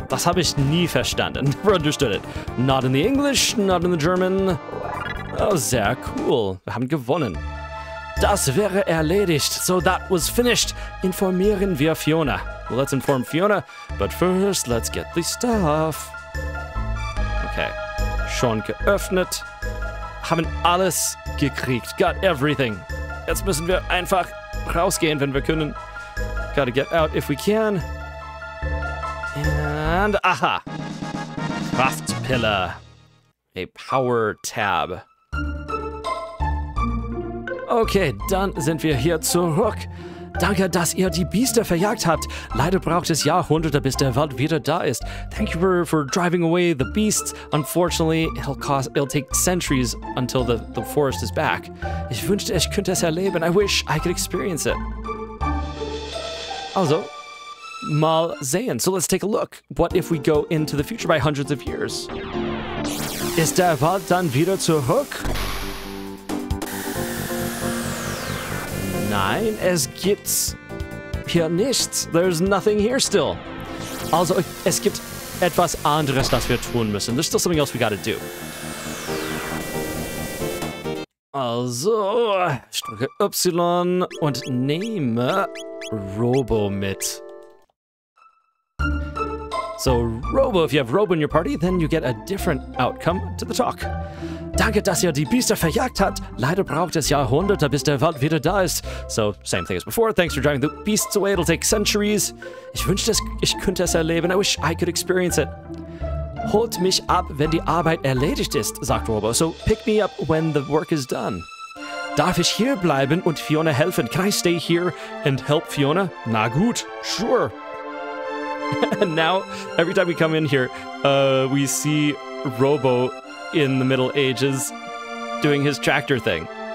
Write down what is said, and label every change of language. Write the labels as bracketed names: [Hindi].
[German] Das habe ich nie verstanden. [English] Never understood it. Not in the English, not in the German. [German] Oh, sehr cool. Wir haben gewonnen. Das wäre erledigt. [English] So that was finished. [German] Informieren wir Fiona. [English] Well, let's inform Fiona, but first let's get the stuff. [German] Okay, schon geöffnet, haben alles gekriegt, [English] got everything. [German] Jetzt müssen wir einfach rausgehen, wenn wir können. [English] Gotta get out if we can. And, aha! Kraftpille. A power tab. [German] Okay, dann sind wir hier zurück. Danke, dass ihr die Biester verjagt habt. Leider braucht es Jahrhunderte, bis der Wald wieder da ist. [English] Thank you for driving away the beasts. Unfortunately, it'll take centuries until the forest is back. [German] Ich wünschte, ich könnte es erleben. [English] I wish I could experience it. [German] Also, mal sehen. [English] So let's take a look. What if we go into the future by hundreds of years? [German] Ist der Wald dann wieder zurück? Nein, es gibt's hier nichts. [English] There's nothing here still. [German] Also, es gibt etwas anderes, das wir tun müssen. [English] There's still something else we gotta do. [German] Also, ich drücke Y und nehme Robo mit. [English] So, Robo, if you have Robo in your party, then you get a different outcome to the talk. [German] Danke, dass ihr die Biester verjagt habt. Leider braucht es Jahrhunderte, bis der Wald wieder da ist. [English] So, same thing as before. Thanks for driving the beasts away. It'll take centuries. [German] Ich wünschte, ich könnte es erleben. [English] I wish I could experience it. [German] Holt mich ab, wenn die Arbeit erledigt ist, sagt Robo. [English] So, pick me up when the work is done. [German] Darf ich hier bleiben und Fiona helfen? [English] Can I stay here and help Fiona? Na gut, sure. And now, every time we come in here, we see Robo in the Middle Ages doing his tractor thing.